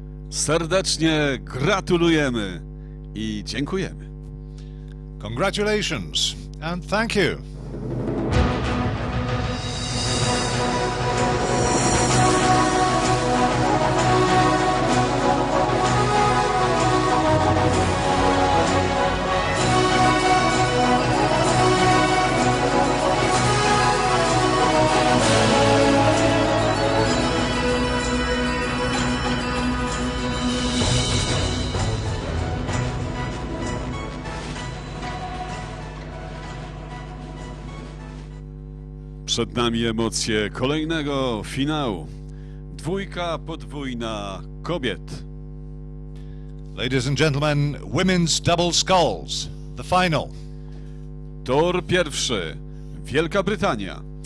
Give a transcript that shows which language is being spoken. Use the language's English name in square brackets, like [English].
[Polish] Serdecznie gratulujemy i dziękujemy. [English] Congratulations and thank you. [Polish] Przed nami emocje kolejnego finału. Dwójka podwójna kobiet. [English] Ladies and gentlemen, women's double sculls, the final. [Polish] Tor pierwszy, Wielka Brytania.